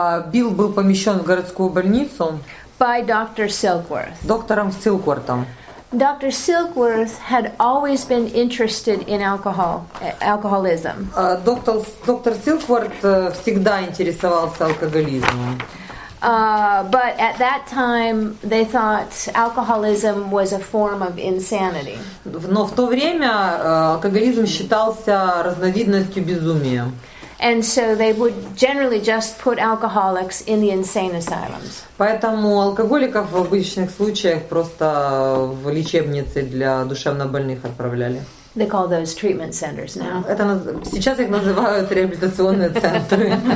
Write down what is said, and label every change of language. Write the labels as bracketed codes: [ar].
[ru] Билл был помещен в городскую больницу [en] by Dr. Silkworth. [ru] Доктором Силквортом. [en] Dr. Silkworth had always been interested in alcoholism. [ru] Доктор Силкворт всегда интересовался алкоголизмом. [en] But at that time they thought alcoholism was a form of insanity. [ru] Но в то время алкоголизм считался разновидностью безумия. [en] And so they would generally just put alcoholics in the insane asylums. [ru] Поэтому алкоголиков в обычных случаях просто в лечебницы для душевнобольных отправляли. [en] They call those treatment centers now. [ru] Это сейчас их называют реабилитационные центры.